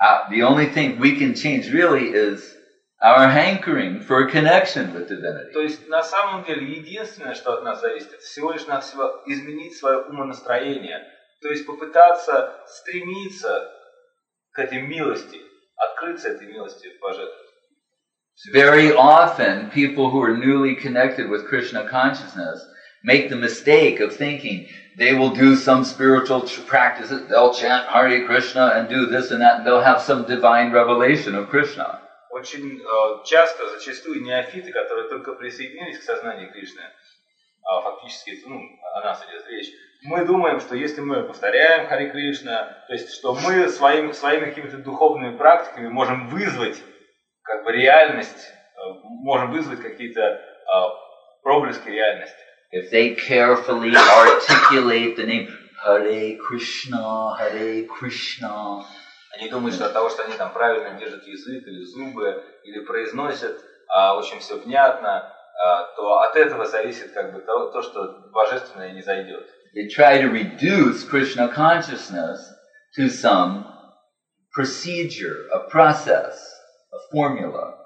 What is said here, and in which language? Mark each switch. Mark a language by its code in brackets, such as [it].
[en] The only thing we can change really is our hankering for a connection with divinity. [ru] То есть на самом деле единственное, что от нас зависит, это всего лишь навсего изменить свое умонастроение. То есть попытаться стремиться к этой милости, открыться этой милости Божественной. [en] Very often people who are newly connected with Krishna consciousness make the mistake of thinking they will do some spiritual practices, they'll chant Hare Krishna and do this and that, and they'll have some divine revelation of Krishna. [ru] Зачастую неофиты, которые только присоединились к сознанию Кришны, фактически, ну, о нас идет речь, мы думаем, что если мы повторяем Хари Кришна, то есть, что мы своими какими-то духовными практиками можем вызвать как бы реальность, можем вызвать какие-то проблески реальности. [en] If they carefully articulate the name Hare Krishna, Hare Krishna. [ru] Они думают, что от того, что они там правильно держат язык или зубы, или произносят очень все внятно, то от этого зависит как бы то, что божественное не зайдет. [en] They try to reduce Krishna consciousness to some procedure, a process, a formula.